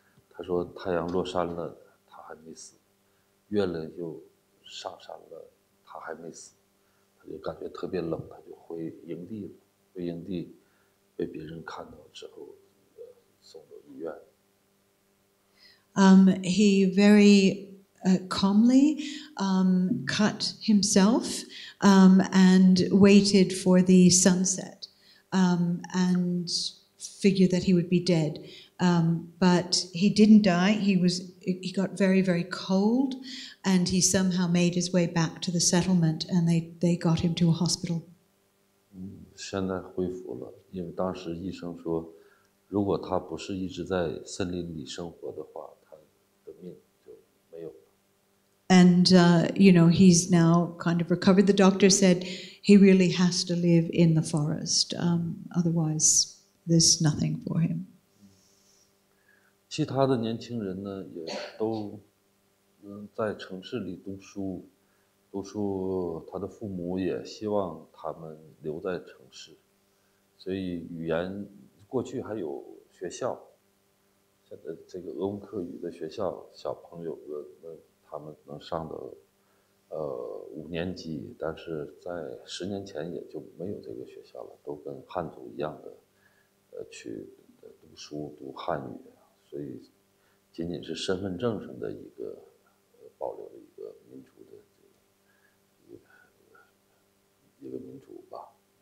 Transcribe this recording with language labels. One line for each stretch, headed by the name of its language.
Chinese: 他说太阳落山了，他还没死；月亮又上山了，他还没死。他就感觉特别冷，他就回营地了。回营地被别人看到之后，送到医院。
English: He very calmly cut himself and waited for the sunset and. Figure that he would be dead, but he didn't die. He got very, very cold, and he somehow made his way back to the settlement, and they got him to a hospital.
Chinese: 现在恢复了，因为当时医生说，如果他不是一直在森林里生活的话，他的命就没有了。
English: And, you know, he's now kind of recovered. The doctor said he really has to live in the forest. Otherwise, there's nothing for him.
Chinese: 其他的年轻人呢，也都在城市里读书。读书，他的父母也希望他们留在城市。所以语言，过去还有学校，现在这个鄂温克语的学校，小朋友们他们能上的五年级，但是在十年前也就没有这个学校了，都跟汉族一样的去读书读汉语，所以仅仅是身份证上的一个保留的一个民族的这个一个民族吧。